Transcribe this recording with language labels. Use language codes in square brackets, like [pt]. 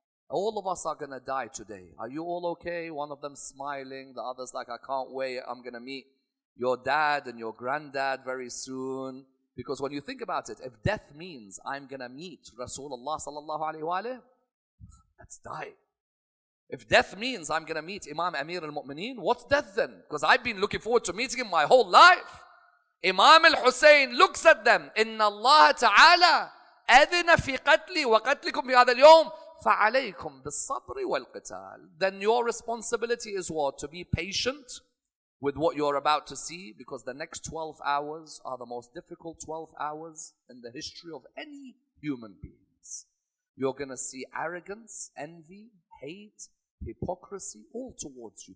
[en] All of us are going to die today. Are you all okay? One of them smiling, the other's like, I can't wait, I'm going to meet your dad and your granddad very soon. Because when you think about it, if death means I'm going to meet Rasulullah sallallahu alayhi wa alayhi, let's die. If death means I'm going to meet Imam Amir al-Mu'mineen, what's death then? Because I've been looking forward to meeting him my whole life. Imam al-Husayn looks at them, [ar] إِنَّ اللَّهَ تَعَالَى أَذِنَ فِي قَتْلِي وَقَتْلِكُمْ فِي هَذَا الْيَوْمِ فَعَلَيْكُمْ بِالصَّبْرِ وَالْقِتَالِ. [en] Then your responsibility is what? To be patient with what you're about to see, because the next 12 hours are the most difficult 12 hours in the history of any human beings. You're going to see arrogance, envy, hate, hypocrisy all towards you.